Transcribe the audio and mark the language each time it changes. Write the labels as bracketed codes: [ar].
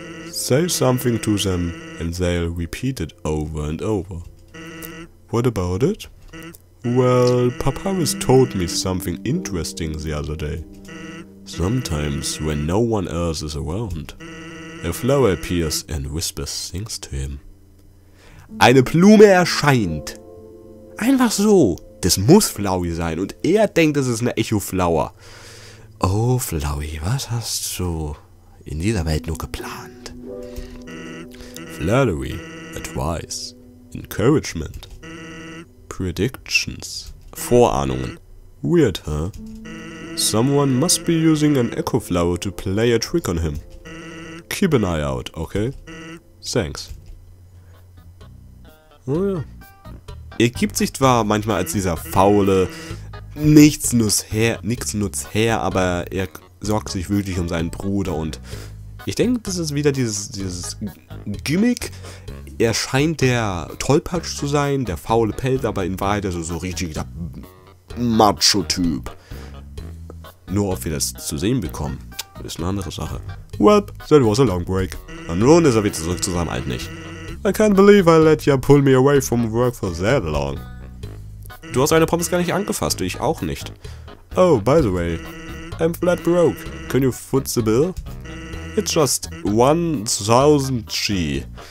[en] Say something to them and they'll repeat it over and over. What about it? Well, Papyrus told me something interesting the other day. Sometimes, when no one else is around, a flower appears and whispers things to him. [de] Eine Blume erscheint! Einfach so! Das muss Flowey sein und er denkt, es ist eine Echo-Flower. Oh, Flowey, was hast du in dieser Welt nur geplant? [en] Flattery, advice, encouragement. Predictions. [de] Vorahnungen. [en] Weird, huh? Someone must be using an Echo Flower to play a trick on him. Keep an eye out, okay? Thanks. [de] Oh ja. Er gibt sich zwar manchmal als dieser faule, nichts nutzt her, aber er sorgt sich wirklich um seinen Bruder und ich denke, das ist wieder dieses Gimmick. Er scheint der Tollpatsch zu sein, der faule Pelz, aber in Wahrheit ist er so richtig der Macho-Typ. Nur ob wir das zu sehen bekommen, ist eine andere Sache. [en] Well, that was a long break. [de] Und nun ist er wieder zurück zu seinem alten Ich. [en] I can't believe I let you pull me away from work for that long. [de] Du hast deine Pommes gar nicht angefasst, ich auch nicht. [en] Oh, by the way, I'm flat broke. Can you foot the bill? It's just 1000 G.